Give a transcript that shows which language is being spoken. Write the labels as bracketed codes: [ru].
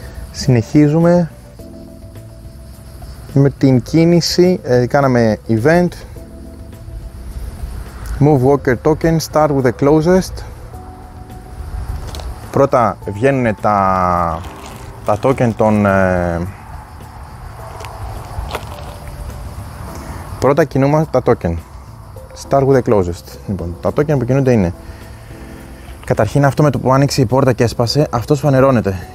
[el] Συνεχίζουμε με την κίνηση, κάναμε event. [en] Move Walker Token, start with the closest. [el] Πρώτα βγαίνουν τα token των... πρώτα κινούμε τα token. [en] Start with the closest. [el] Λοιπόν, τα token που κινούνται είναι... Καταρχήν αυτό με το που άνοιξε η πόρτα και έσπασε, αυτός φανερώνεται.